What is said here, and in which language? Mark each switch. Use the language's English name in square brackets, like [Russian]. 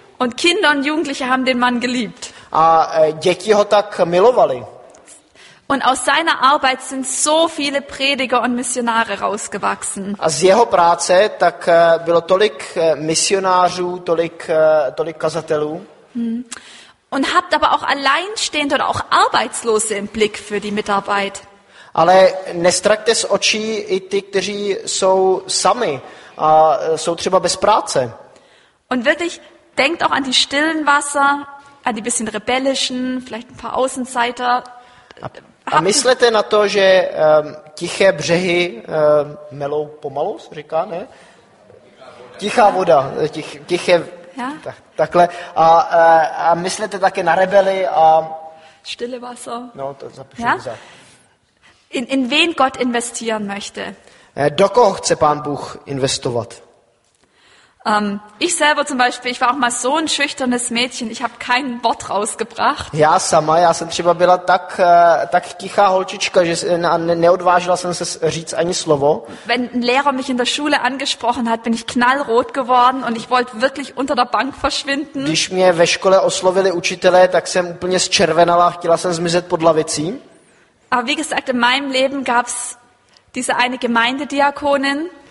[German] Und Kinder und Jugendliche haben den Mann geliebt. [Czech] A děti ho tak milovali. [German] Und aus seiner Arbeit sind so viele Prediger und Missionare rausgewachsen. [Czech] A z jeho práce tak bylo tolik misionářů, tolik kazatelů. [German] Und habt aber auch alleinstehende oder auch Arbeitslose im Blick für die Mitarbeit. [Czech] Ale nestrakte z očí i ty, kteří jsou sami a jsou třeba bez práce. [German] Und wirklich, denkt auch an die stillen Wasser, an die bisschen rebellischen, vielleicht ein paar Außenseiter. [Czech] A myslete na to, že tiché břehy melou pomalu, říká, ne? Tichá voda, tiché... Ja. Takhle. A myslete také na rebely a... [German] Stille Wasser. [Czech] No, to zapíšu za. [German] In wen Gott investieren möchte. [Czech] Do koho chce Pán Bůh investovat? [German] Ich selber zum Beispiel, ich war auch mal so ein schüchternes Mädchen, ich habe kein Wort rausgebracht. [Czech] Já sama, já jsem třeba byla tak tichá holčička, že neodvážila jsem se říct ani slovo. [German] Wenn ein Lehrer mich in der Schule angesprochen hat, bin ich knallrot geworden und ich wollte wirklich unter der Bank verschwinden. [Czech] Když mě ve škole oslovili učitelé, tak jsem úplně zčervenala, chtěla jsem zmizet pod lavicí. [German] Aber wie gesagt, in meinem Leben gab's diese eine Gemeindediakonin.